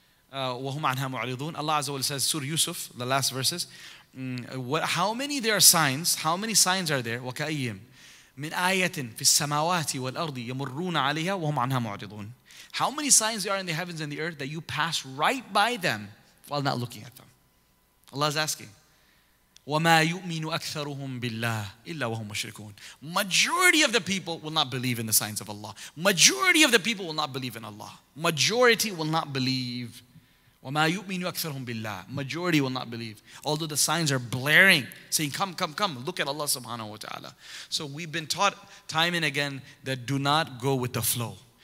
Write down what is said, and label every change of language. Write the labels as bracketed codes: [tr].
[en] Allah Azza wa Jalla says, Surah Yusuf, the last verses. How many there are signs? How many signs are there? [ar] من آية في السماوات والأرض يمرون عليها وهم عنها معرضون. [en] How many signs there are in the heavens and the earth that you pass right by them while not looking at them? Allah is asking. [ar] وما يؤمن أكثرهم بالله إلا وهم مشركون. [en] Majority of the people will not believe in the signs of Allah. Majority of the people will not believe in Allah. Majority will not believe. [ar] وما يؤمن أكثرهم بالله. [en] Majority will not believe. Although the signs are blaring, saying, come, come, come, look at Allah subhanahu wa ta'ala. So we've been taught time and again that do not go with the flow.